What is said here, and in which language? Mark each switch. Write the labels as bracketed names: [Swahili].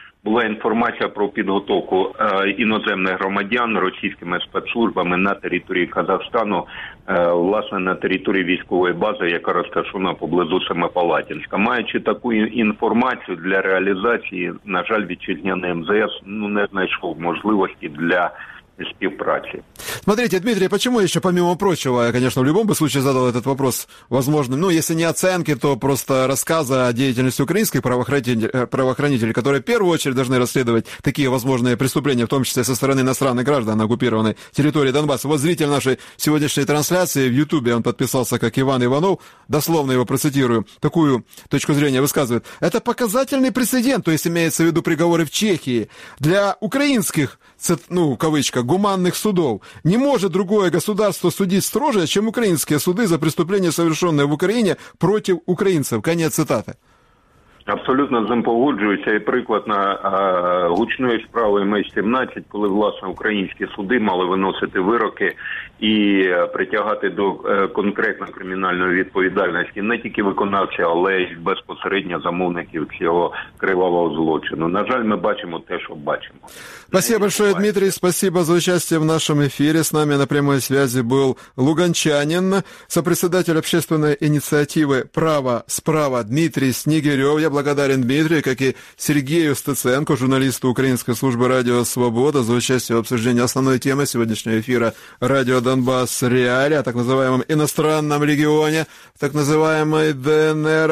[Ukrainian] Була інформація про підготовку іноземних громадян російськими спецслужбами на території Казахстану, власне, на території військової бази, яка розташована поблизу Семипалатинська. Маючи таку інформацію для реалізації, на жаль, вітчизняний МЗС не знайшов можливості для співпраці. [Russian] Смотрите, Дмитрий, почему еще, помимо прочего, я, конечно, в любом бы случае задал этот вопрос возможным, ну, если не оценки, то просто рассказы о деятельности украинских правоохранителей, которые в первую очередь должны расследовать такие возможные преступления, в том числе со стороны иностранных граждан на оккупированной территории Донбасса. Вот зритель нашей сегодняшней трансляции в Ютубе, он подписался как Иван Иванов, дословно его процитирую, такую точку зрения высказывает. Это показательный прецедент, то есть имеется в виду приговоры в Чехии, для украинских, ну, в кавычках, гуманных судов. Не может другое государство судить строже, чем украинские суды за преступления, совершенные в Украине против украинцев. Конец цитаты. [Ukrainian] Абсолютно з ним погоджуюся. І приклад на гучної справи МС-17, коли, власне, українські суди мали виносити вироки і притягати до конкретної кримінальної відповідальності не тільки виконавці, але й безпосередньо замовників цього кривавого злочину. На жаль, ми бачимо те, що бачимо. [Russian] Спасибо большое, Дмитрий. Спасибо за участие в нашем эфире. С нами на прямой связи был луганчанин, сопредседатель общественной инициативы «Право справа» Дмитрий Снегирев. Я благодарен Дмитрию, как и Сергею Стеценко, журналисту Украинской службы «Радио Свобода», за участие в обсуждении основной темы сегодняшнего эфира «Радио Донбасс Реали», о так называемом иностранном легионе, так называемой ДНР.